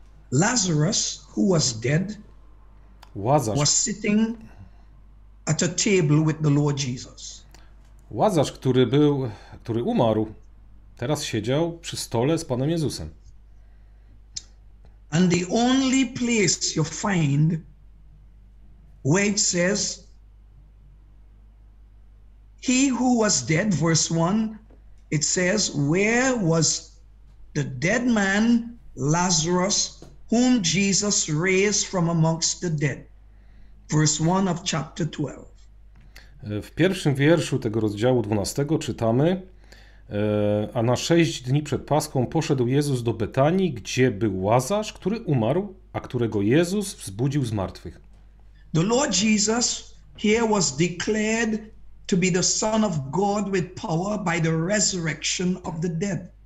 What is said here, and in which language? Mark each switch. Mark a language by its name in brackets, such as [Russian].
[English] Lazarus, who was dead, was sitting at a table with the Lord Jesus. [Polish] Łazarz, który umarł, teraz siedział przy stole z Panem Jezusem. [English] And the only place you find where it says he who was dead, verse 1, it says, where was the dead man Lazarus, whom Jesus raised from amongst the dead? Verse 1 of chapter 12. [Polish] W pierwszym wierszu tego rozdziału 12 czytamy: a na 6 dni przed Paską poszedł Jezus do Betanii, gdzie był Łazarz, który umarł, a którego Jezus wzbudził z martwych. [English] The Lord Jesus here was declared to be the Son of God with power by the resurrection of the dead.